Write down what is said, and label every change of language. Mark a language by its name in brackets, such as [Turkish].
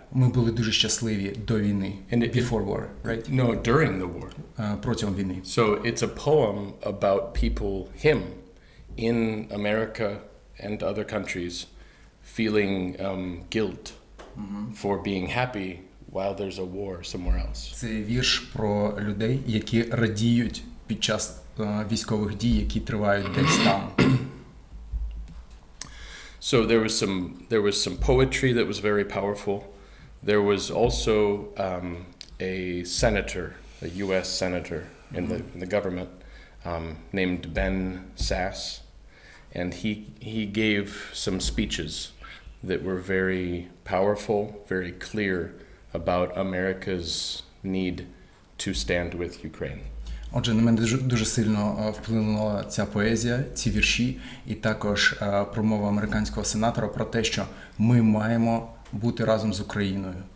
[Ukrainian] Ми були дуже щасливі до війни. [English] And before war, right? No, during the war. [Ukrainian] Протягом війни. [English] So it's a poem about people, him, in America and other countries, feeling guilt for being happy while there's a war somewhere else. [Ukrainian] Це вірш про людей, які радіють під час військових дій, які тривають десь там. [English] So there was some poetry that was very powerful. There was also a senator, a US senator in the government named Ben Sasse, and he gave some speeches that were very powerful, very clear about America's need to stand with Ukraine. [Ukrainian] Отже, на мене дуже сильно вплинула ця поезія, ці вірші, і також промова американського сенатора про те, що ми маємо бути разом з Україною.